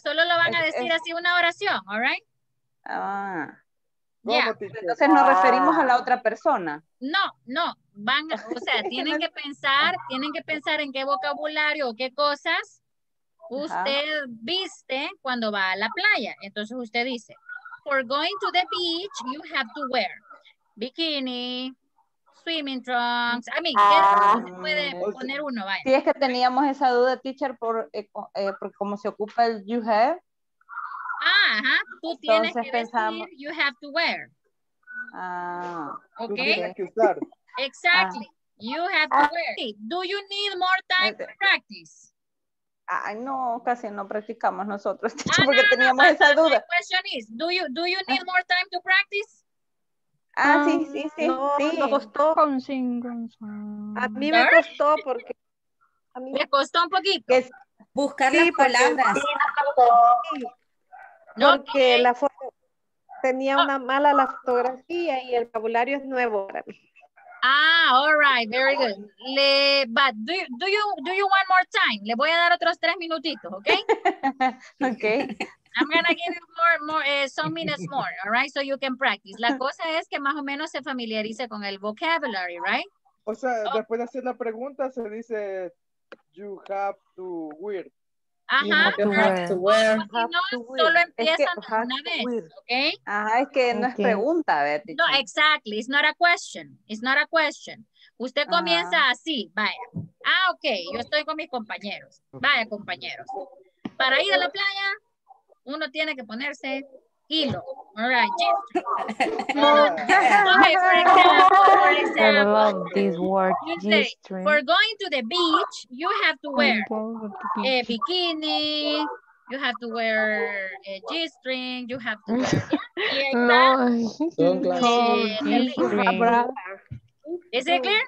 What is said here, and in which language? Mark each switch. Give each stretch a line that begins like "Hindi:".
Spanish: Solo lo van a decir así una oración,
English: all right? Ah. Yeah.
Spanish: Entonces nos referimos a la otra persona. No, no, van, o sea, tienen que pensar, en qué vocabulario o qué cosas usted viste cuando va a la playa. Entonces usted dice,
English: for going to the beach, you have to wear bikini, swimming trunks. I mean,
Spanish: ¿qué se puede poner uno? Vaya. Sí, es que teníamos esa duda, teacher, por cómo se ocupa el
English: you have.
Spanish: Ah, ajá, tú tienes entonces que decir, pensamos,
English: you have to wear. Ah, ok.
Spanish: Tú tienes que usar.
English: Exactly, you have to wear. Do you need more time to practice?
Spanish: Ay, no, casi no practicamos nosotros, porque teníamos esa duda.
English: My question is, do you need more time to practice?
Spanish: Ah, sí. No, sí. Me costó. A mí me costó porque... A mí me costó un poquito. Que buscar las palabras. Porque la foto tenía una mala la fotografía y el vocabulario es nuevo para mí.
English: Ah, all right, very good. But do you want more time?
Spanish: Le voy a dar otros tres minutitos, ¿ok?
English: Okay. I'm gonna give you some minutes more, all right? So you can practice.
Spanish: La cosa es que más o menos se familiarice con el vocabulary, right? O sea, después de hacer la pregunta se dice
English: you have to wear.
Spanish: Ajá, solo empiezan una vez, ¿ok? Ajá, es que no es pregunta, Betty.
English: No, exactly, it's not a question.
Spanish: Usted comienza así, vaya. Ah, ok, yo estoy con mis compañeros. Vaya, compañeros. Para ir a la playa, uno tiene que ponerse hilo.
English: All right, okay, for example, for going to the beach, you have to wear a bikini, you have to wear a G-string, you have to wear a is it clear?